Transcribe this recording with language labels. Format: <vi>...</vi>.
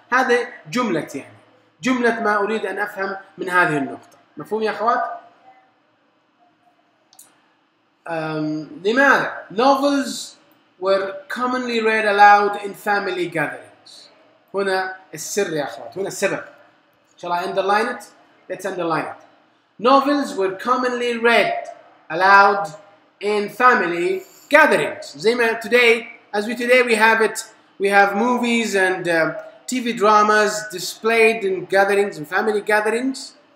<ar>هذا جملة, يعني جملة ما أريد أن أفهم من هذه النقطة. مفهوم يا أخوات؟ لماذا؟</ar> <en>Novels were commonly read aloud in family gatherings.</en> <ar>هنا السر يا أخوات, هنا السبب.</ar> <en>Shall I underline it? Let's underline it. Novels were commonly read aloud in family gatherings. As we today we have it, we have movies and TV dramas displayed in gatherings and family gatherings.</en>